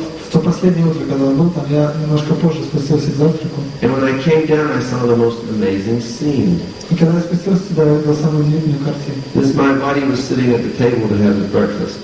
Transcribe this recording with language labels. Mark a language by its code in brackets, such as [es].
[ru] То последнее утро, когда он был там, я немножко позже спустился к завтраку. [en] And when I came down, I saw the most amazing scene. [ru] И когда я спустился сюда, я увидел самую удивительную картину. [en] This Mayavadi was sitting at the table to have his breakfast.